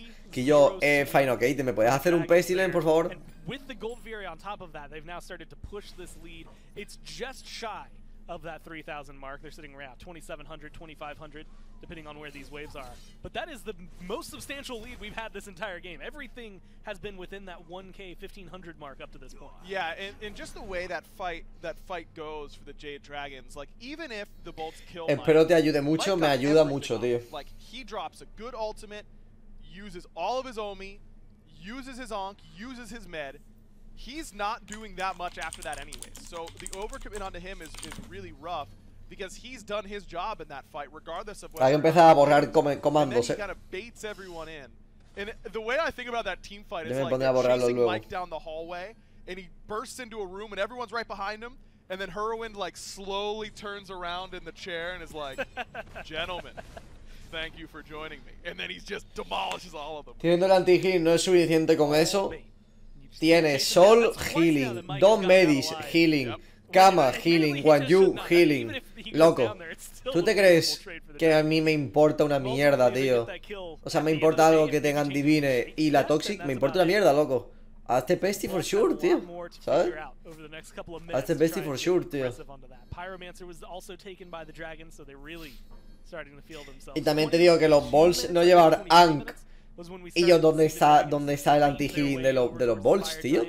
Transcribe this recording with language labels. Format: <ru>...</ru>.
<es>Quillo, Fine, ok, ¿me puedes hacer un Pestilent, por favor?</es> <en>With the Gold Fury on top of that, they've now started to push this lead. It's just shy of that 3,000 mark. They're sitting around 2,700, 2,500, depending on where these waves are. But that is the most substantial lead we've had this entire game. Everything has been within that 1K, 1,500 mark up to this point. Yeah, and just the way that fight goes for the Jade Dragons, like, even if the Bolts kill</en> <es>Mike, espero te ayude mucho, me ayuda mucho, tío.</es> <en>Like, he drops a good ultimate, uses all of his Omi, uses his Ankh, uses his med. He's not doing that much after that anyway. So the overcommit onto him is really rough because he's done his job in that fight regardless of whether...</en> <es>Empezar a borrar comandos.</es> <en>He kind of baits everyone in. And the way I think about that team fight is like chasing Mike down the hallway and he bursts into a room and everyone's right behind him and then Hurrywind like slowly turns around in the chair and is like, gentlemen. Thank you for joining me. And then he just demolishes all of them.</en> <es>Teniendo el anti-heal no es suficiente con eso. tiene Sol healing, Dom Medis healing, Kama healing, Guan Yu healing. Loco, ¿tú te crees que a mí me importa una mierda, tío? O sea, me importa algo que tengan Divine y la Toxic. Me importa una mierda, loco. Hazte Pesty</es> <en>for sure,</en> <es>tío. ¿Sabes? Hazte Pesty for sure, tío.</es> <en>Pyromancer was also taken by the dragon, so they really starting to feel themselves.</en> <es>Y también te digo que los Bolts no llevar Ank. Y yo, ¿dónde está el anti-healing de los Bolts, tío?</es>